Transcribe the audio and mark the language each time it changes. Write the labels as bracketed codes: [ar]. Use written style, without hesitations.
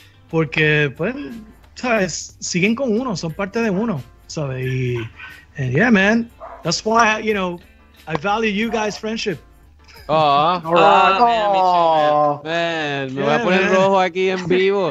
[es] Porque, pues, sabes, siguen con uno, son parte de uno, ¿sabes? [en] Y, and yeah, man, that's why, you know, I value you guys' friendship. Aww. All right. Oh, [es] man, me voy a poner rojo aquí en vivo.